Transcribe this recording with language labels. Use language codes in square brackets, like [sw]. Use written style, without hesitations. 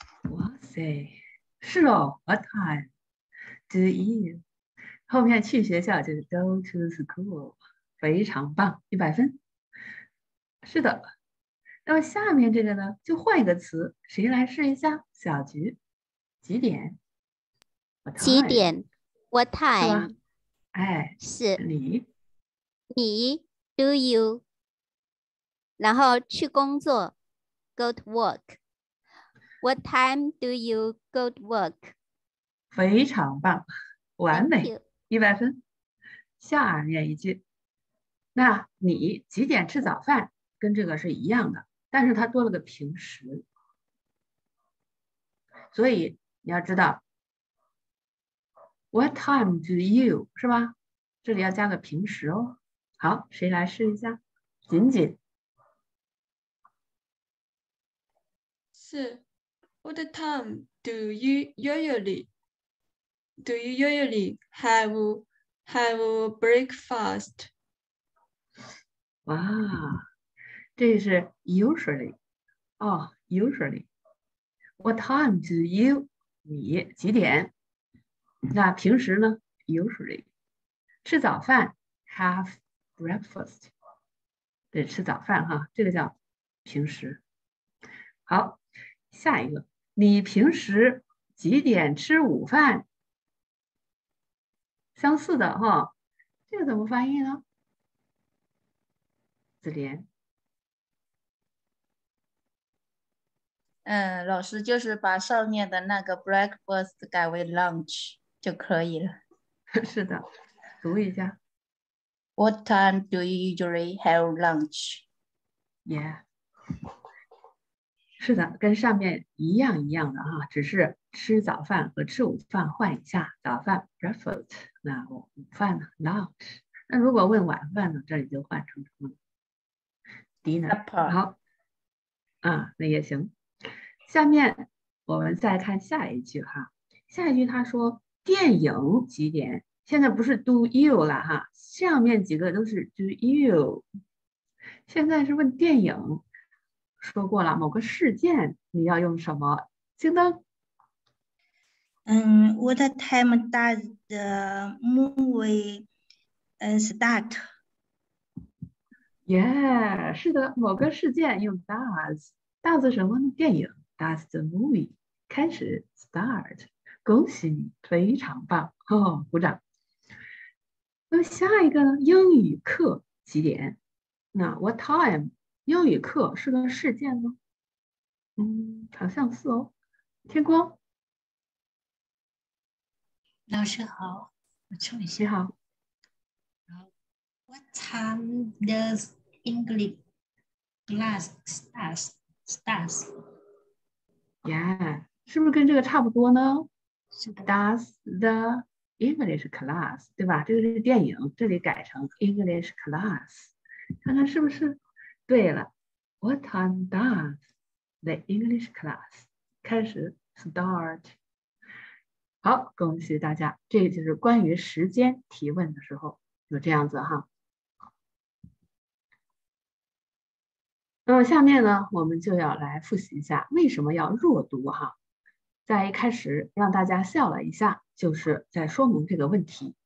[zh] 哇塞，是哦 ， [en] What time？ Do you， [zh] 后面去学校就是 [en] go to school， [zh] 非常棒，100分。是的，那么下面这个呢，就换一个词，谁来试一下？小菊，几点？几点 ？ [en] What time？ [zh] 哎，是你。你 [en] ，Do you？ [zh] 然后去工作 [en] ，go to work。 What time do you go to work？ [zh] 非常棒，完美，100分。下面一句，那你几点吃早饭？跟这个是一样的，但是它多了个平时，所以你要知道 ， [en] What time do you [zh] 是吧？这里要加个平时哦。好，谁来试一下？锦锦，是 [en] ，What time do you usually？ Do you usually have breakfast？ [zh] 哇，这是 usually 哦 ，usually。 [en] What time do you？ [zh] 你几点？那平时呢 ？ [en] Usually [zh] 吃早饭 ， [en] have breakfast。 [zh] 得吃早饭哈，这个叫平时。好，下一个，你平时几点吃午饭？相似的哈，这个怎么翻译呢？子莲，老师就是把上面的那个 breakfast 改为 lunch 就可以了。是的，读一下。 [en] What time do you usually have lunch？ Yeah， [zh] 是的，跟上面一样一样的哈，只是吃早饭和吃午饭换一下，早饭 breakfast。那午饭呢 ？Lunch。那如果问晚饭呢？这里就换成什么 ？Dinner。好，啊，那也行。下面我们再看下一句哈。下一句他说电影几点？现在不是 [en] Do you [zh] 了哈，上面几个都是 Do you。现在是问电影，说过了某个事件，你要用什么？京东。 [en] What time does the movie start？ Yeah， [zh] 是的，某个事件用 does。 does 什么呢？电影 [en] does the movie [zh] 开始 start。恭喜你，非常棒，呵呵，鼓掌。那下一个呢，英语课几点？那 [en] what time？ [zh] 英语课是个事件吗？好像是哦。天光，老师好，我重新好。 [en] What time does English class start? Yeah, [zh] 是不是跟这个差不多呢？是的。 [en] Does the English class, [zh] 对吧？这个是电影，这里改成 English class, 看看是不是对了。 [en] What time does the English class [zh] 开始 [en] start? [zh] 好，恭喜大家，这就是关于时间提问的时候有这样子哈。那么下面呢，我们就要来复习一下为什么要弱读哈。在一开始让大家笑了一下，就是在说明这个问题。